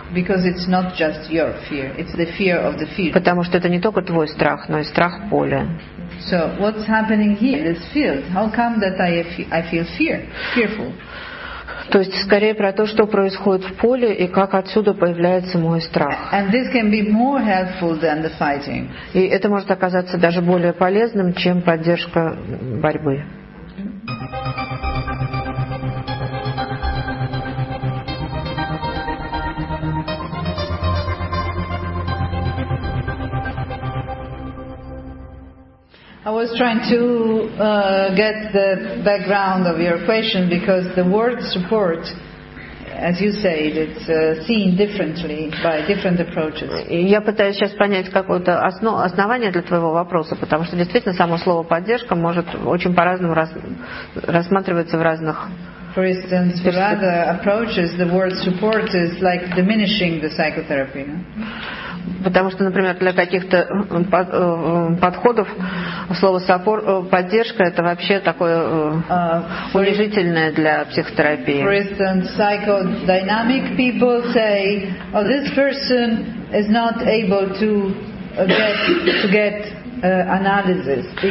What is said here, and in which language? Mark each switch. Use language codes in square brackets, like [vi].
[en] Because it's not just your fear, it's the fear of the field. [ru] Потому что это не только твой страх, но и страх поля. [en] So what's happening here in this field? How come that I feel fearful? [ru] То есть скорее про то, что происходит в поле и как отсюда появляется мой страх. [en] And this can be more helpful than the fighting. [ru] И это может оказаться даже более полезным, чем поддержка борьбы. [en] I was trying to get the background of your question because the word support, as you said, it's seen differently by different approaches. [ru] Я пытаюсь сейчас понять какое-то основание для твоего вопроса, потому что действительно само слово поддержка может очень по-разному рассматриваться в разных. [en] For instance, for other approaches, the word support is like diminishing the psychotherapy. [ru] Потому что, например, для каких-то подходов слово support, поддержка, это вообще такое унижительное для психотерапии. [en] For instance, psychodynamic people say, oh, this person is not able to get analysis.